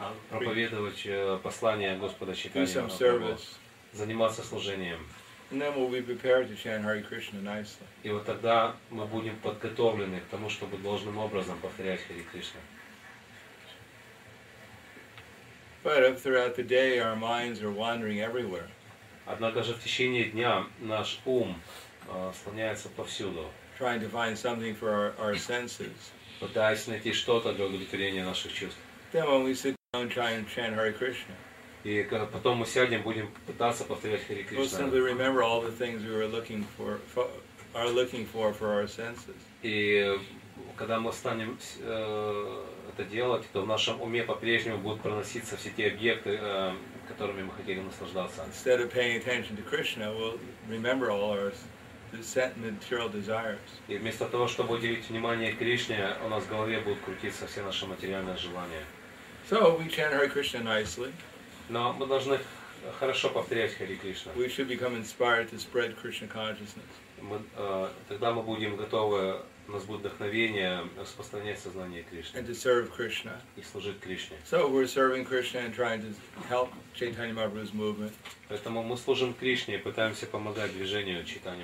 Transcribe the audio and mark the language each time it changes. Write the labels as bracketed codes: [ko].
[ru] Проповедовать послание Господа Чайтанья [en] Махапрабху. Do some service. [ru] Заниматься служением. [en] And then we'll be prepared to chant Hare Krishna nicely. [ru] И вот тогда мы будем подготовлены к тому, чтобы должным образом повторять Хари Кришна. [en] But if throughout the day our minds are wandering everywhere. [ru] Однако же в течение дня наш ум слоняется повсюду. [en] Trying to find something for our senses. [ru] Пытаясь найти что-то для удовлетворения наших чувств. [en] Then when we sit down trying to chant Hare Krishna. [ru] И когда потом мы сядем, будем пытаться повторять Хари Кришна. [en] We'll simply remember all the things we were looking for, are looking for our senses. [ru] И когда мы станем это делать, то в нашем уме по-прежнему будут проноситься все те объекты, которыми мы хотели наслаждаться. [en] Instead of paying attention to Krishna, we'll remember all our material desires. [ru] И вместо того, чтобы уделить внимание Кришне, у нас в голове будут крутиться все наши материальные желания. [en] So we chant Hare Krishna nicely. [ru] Но мы должны хорошо повторять Хари Кришна. [en] We should become inspired to spread Krishna consciousness. [ru] Тогда мы будем готовы, у нас будет вдохновение распространять сознание Кришны. [en] And to serve Krishna. [ru] И служить Кришне. [en] So we're serving Krishna and trying to help Chaitanya Mahaprabhu's movement. [ru] Поэтому мы служим Кришне и пытаемся помогать движению Чайтаньи